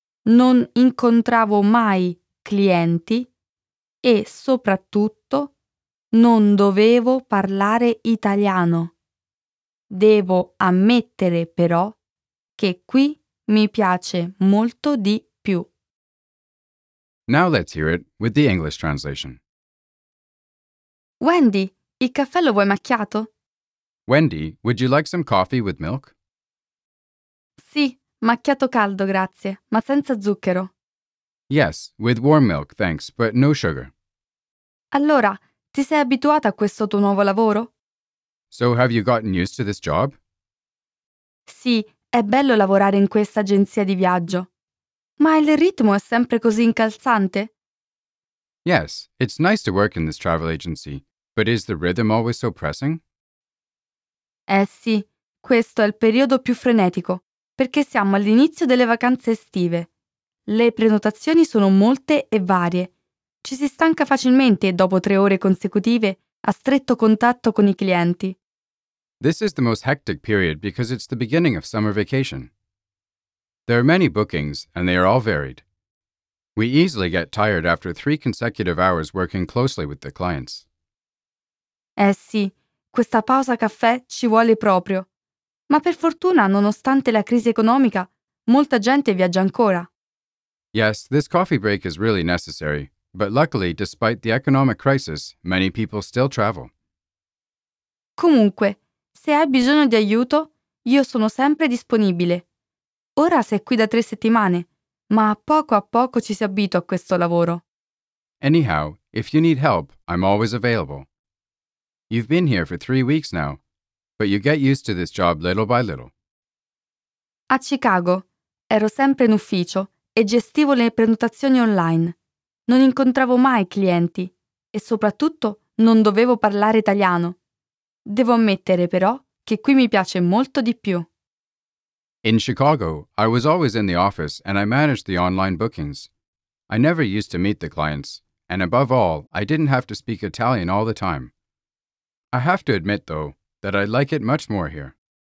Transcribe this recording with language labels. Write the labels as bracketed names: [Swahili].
[Italian] Non incontravo mai clienti e soprattutto non dovevo parlare italiano. Devo ammettere però che qui mi piace molto di più. [English] Now let's hear it with the English translation. [Italian] Wendy, il caffè lo vuoi macchiato? [English] Wendy, would you like some coffee with milk? [Italian] Sì, macchiato caldo, grazie, ma senza zucchero. [English] Yes, with warm milk, thanks, but no sugar. [Italian] Allora, ti sei abituata a questo tuo nuovo lavoro? [English] So have you gotten used to this job? [Italian] Sì, è bello lavorare in questa agenzia di viaggio. Ma il ritmo è sempre così incalzante? [English] Yes, it's nice to work in this travel agency, But is the rhythm always so pressing? [Italian] Eh sì, questo è il periodo più frenetico, perché siamo all'inizio delle vacanze estive. Le prenotazioni sono molte e varie. Ci si stanca facilmente dopo 3 ore consecutive a stretto contatto con i clienti. [English] This is the most hectic period because it's the beginning of summer vacation. There are many bookings and they are all varied. We easily get tired after 3 consecutive hours working closely with the clients. [Italian] Eh sì, questa pausa caffè ci vuole proprio. Ma per fortuna, nonostante la crisi economica, molta gente viaggia ancora. [English] Yes, this coffee break is really necessary, but luckily, despite the economic crisis, many people still travel. [Italian] Comunque, se hai bisogno di aiuto, io sono sempre disponibile. Ora sei qui da 3 settimane, ma a poco ci si abitua a questo lavoro. [English] Anyhow, if you need help, I'm always available. You've been here for 3 weeks now, but you get used to this job little by little. [Italian] A Chicago, ero sempre in ufficio e gestivo le prenotazioni online. Non incontravo mai clienti e soprattutto non dovevo parlare italiano. Devo ammettere però che qui mi piace molto di più. [English] In Chicago, I was always in the office and I managed the online bookings. I never used to meet the clients, and above all, I didn't have to speak Italian all the time. I have to admit, though, that I like it much more here.